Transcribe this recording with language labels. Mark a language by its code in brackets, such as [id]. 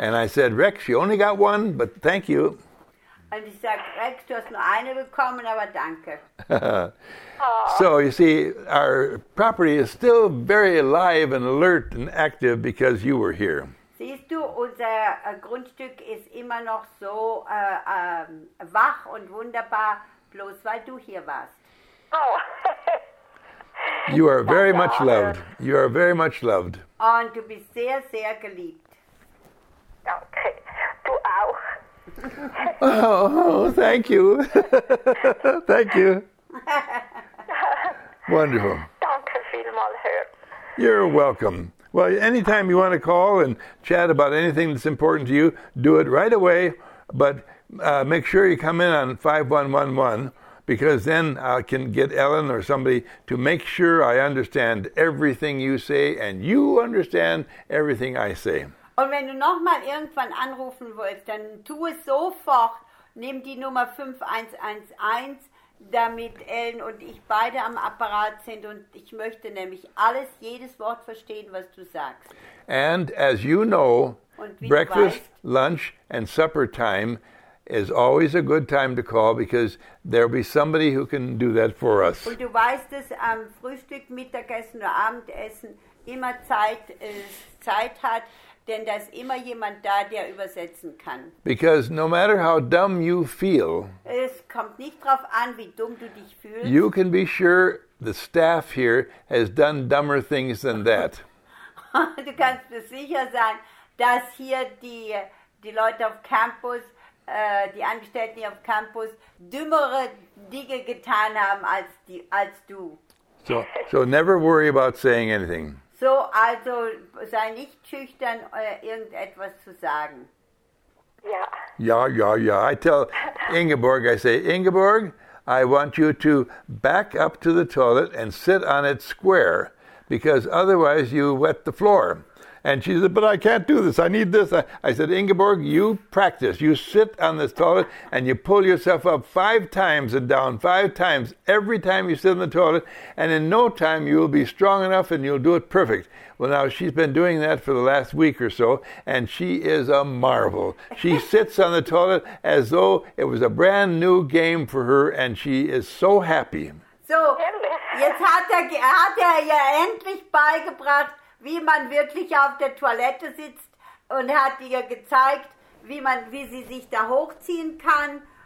[en] And I said, Rex, you only got one, but thank you. [de] Und ich sag, Rex, du hast nur eine bekommen, aber danke. [en] So, you see, our property is still very alive and alert and active because you were here. [de] Siehst du, unser Grundstück ist immer noch so wach und wunderbar, bloß weil du hier warst. [en] You are very much loved. You are very much loved. [de] Und du bist sehr, sehr geliebt. Danke. Du auch. [en] Oh, thank you. Thank you. Wonderful. [de] Danke vielmal, Herr. [en] You're welcome. Well, anytime you want to call and chat about anything that's important to you, do it right away. But make sure you come in on 5111, because then I can get Ellen or somebody to make sure I understand everything you say and you understand everything I say. [de] Und wenn du nochmal irgendwann anrufen willst, dann tu es sofort. Nimm die Nummer 5111, damit Ellen und ich beide am Apparat sind und ich möchte nämlich alles, jedes Wort verstehen, was du sagst. [en] And as you know, breakfast, lunch and supper time is always a good time to call because there'll be somebody who can do that for us. [de] Und du weißt, dass am Frühstück, Mittagessen oder Abendessen immer Zeit hat, denn da ist immer jemand da, der übersetzen kann. [en] Because no matter how dumb you feel, [de] es kommt nicht drauf an, wie dumm du dich fühlst. [en] You can be sure the staff here has done dumber things than that. [de] Du kannst dir sicher sein, dass hier die Leute auf Campus, die Angestellten hier auf Campus dümmere Dinge getan haben als du. [en] So never worry about saying anything. [de] So, also sei nicht schüchtern, irgendetwas zu sagen. Ja. [en] I tell Ingeborg, I say, Ingeborg, I want you to back up to the toilet and sit on it square, because otherwise you wet the floor. And she said, but I can't do this. I need this. I said, Ingeborg, you practice. You sit on this toilet and you pull yourself up five times and down five times every time you sit in the toilet. And in no time, you will be strong enough and you'll do it perfect. Well, now she's been doing that for the last week or so, and she is a marvel. She sits on the toilet as though it was a brand new game for her, and she is so happy. [de] So, jetzt hat er ja endlich beigebracht, wie man wirklich auf der Toilette sitzt, und hat ihr gezeigt, wie sie sich da hochziehen kann.